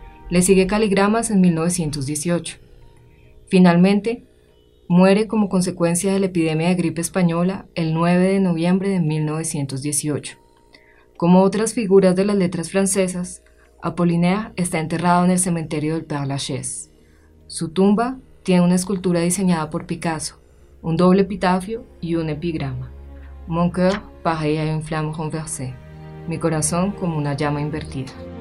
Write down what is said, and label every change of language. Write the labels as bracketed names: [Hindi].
[Spanish] Le sigue Caligramas en 1918. Finalmente, muere como consecuencia de la epidemia de gripe española el 9 de noviembre de 1918. Como otras figuras de las letras francesas, Apollinaire está enterrado en el cementerio del Père Lachaise. Su tumba tiene una escultura diseñada por Picasso, un doble epitafio y un epigrama. [French] Mon cœur pareil à une flamme renversée. [Spanish] Mi corazón como una llama invertida.